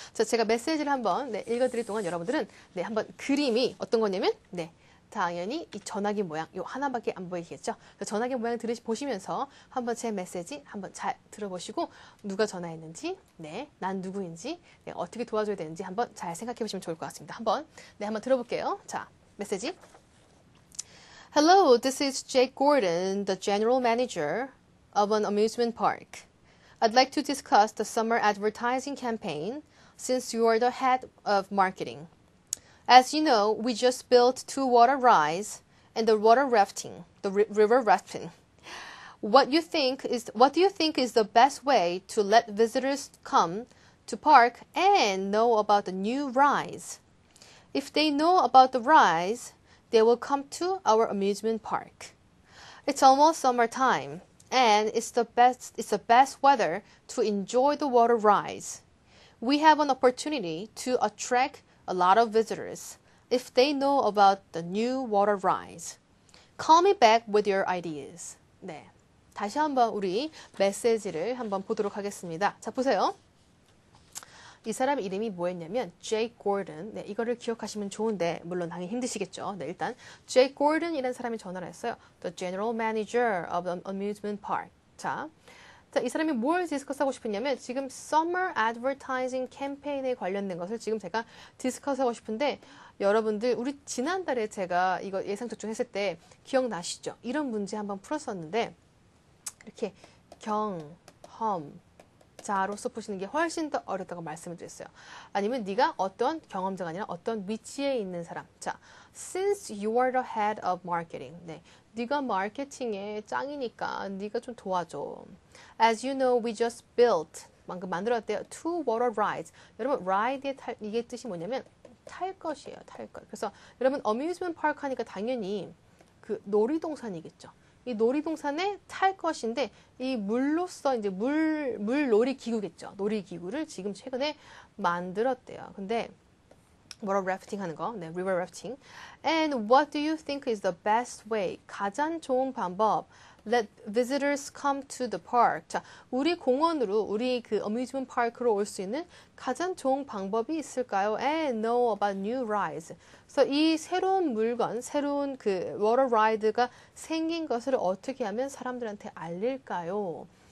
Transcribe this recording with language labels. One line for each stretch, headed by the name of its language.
Korean: 자, 제가 메시지를 한번 네, 읽어드릴 동안 여러분들은 네, 한번 그림이 어떤 거냐면 네, 당연히 이 전화기 모양, 요 하나밖에 안 보이겠죠? 전화기 모양 보시면서 한번 제 메시지 한번 잘 들어보시고 누가 전화했는지, 네, 난 누구인지, 네, 어떻게 도와줘야 되는지 한번 잘 생각해보시면 좋을 것 같습니다. 한번 네, 한번 들어볼게요. 자, 메시지.
English: Hello, this is Jake Gordon, the general manager of an amusement park. I'd like to discuss the summer advertising campaign since you are the head of marketing. As you know, we just built two water rides and the water rafting, the ri river rafting. What do you think is the best way to let visitors come to park and know about the new rides? If they know about the rides, they will come to our amusement park. It's almost summertime. And it's the best weather to enjoy the water rides. We have an opportunity to attract a lot of visitors if they know about the new water rides. Call me back with your ideas. 네.
Korean: 다시 한번 우리 메시지를 한번 보도록 하겠습니다. 자, 보세요. 이 사람 이름이 뭐였냐면 제이크 고든. 네, 이거를 기억하시면 좋은데 물론 당연히 힘드시겠죠. 네, 일단 제이크 고든이라는 사람이 전화를 했어요.
English: The General Manager of an Amusement Park.
Korean: 자, 이 사람이 뭘 디스커스하고 싶었냐면 지금 Summer Advertising 캠페인에 관련된 것을 지금 제가 디스커스하고 싶은데, 여러분들 우리 지난달에 제가 이거 예상 적중했을 때 기억나시죠? 이런 문제 한번 풀었었는데 이렇게 경험 자로서 푸시는 게 훨씬 더 어렵다고 말씀을 드렸어요. 아니면 네가 어떤 경험자가 아니라 어떤 위치에 있는 사람.
English: 자, since you are the head of marketing.
Korean: 네, 네가 마케팅의 짱이니까 네가 좀 도와줘.
English: As you know, we just built
Korean: 방금 만들었대요.
English: Two water rides.
Korean: 여러분, ride의 탈 이게 뜻이 뭐냐면 탈 것이에요, 탈 것. 그래서 여러분 amusement park 하니까 당연히 그 놀이동산이겠죠. 이 놀이동산에 탈 것인데, 이 물로서 이제 물 놀이기구겠죠. 놀이기구를 지금 최근에 만들었대요. 근데 워터 래프팅 하는 거, 네, 리버 래프팅.
English: And what do you think is the best way?
Korean: 가장 좋은 방법.
English: Let visitors come to the park.
Korean: 자, 우리 공원으로, 우리 그 어뮤즈먼트 파크로 올수 있는 가장 좋은 방법이 있을까요?
English: And know about new rides.
Korean: 그래서 이 새로운 물건, 새로운 그 워터 라이드가 생긴 것을 어떻게 하면 사람들한테 알릴까요?